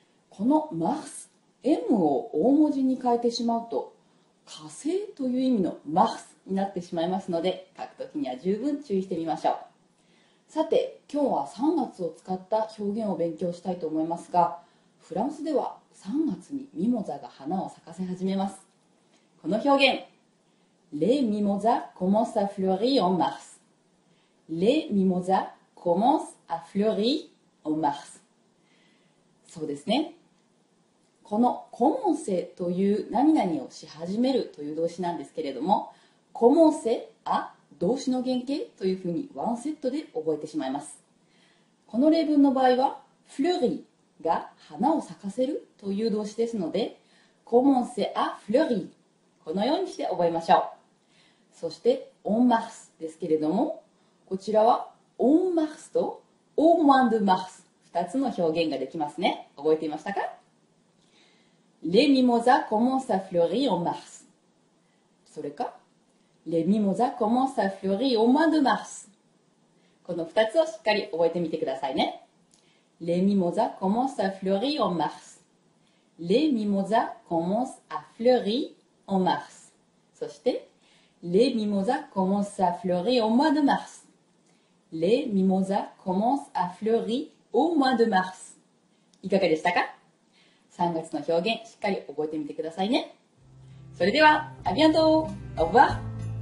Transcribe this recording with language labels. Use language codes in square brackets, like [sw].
[ja] このマース、M を大文字に変えてしまうと火星という意味のマースになってしまいますので、書くときには十分注意してみましょう。さて、今日は3月を使った表現を勉強したいと思いますが、フランスでは3月にミモザが花を咲かせ始めます。この表現、 [fr] Les mimosas commencent à fleurir en mars. Les mimosas commencent à fleurir en mars. [ja] そうですね。このコモンセという何々をし始めるという動詞なんですけれども、コモンセア動詞の原型というふうにワンセットで覚えてしまいます。この例文の場合はフルリーが花を咲かせるという動詞ですので、コモンセアフルリー、このようにして覚えましょう。そしてオンマースですけれども、こちらはオンマースとオンマンドマース2つの表現ができますね。覚えていましたか？ [fr] Les mimosas commencent à fleurir en mars. [ja] それか、 [fr] Les mimosas commencent à fleurir au mois de mars. [ja] この2つをしっかり覚えてみてくださいね。 [fr] Les mimosas commencent à fleurir en mars. Les mimosas commencent à fleurir en mars. そして、Les mimosas commencent à fleurir au mois de mars. Les mimosas commencent à fleurir au mois de mars. [ja] いかがでしたか？ 3月の表現、しっかり覚えてみてくださいね。それでは、アビアント、オブワー。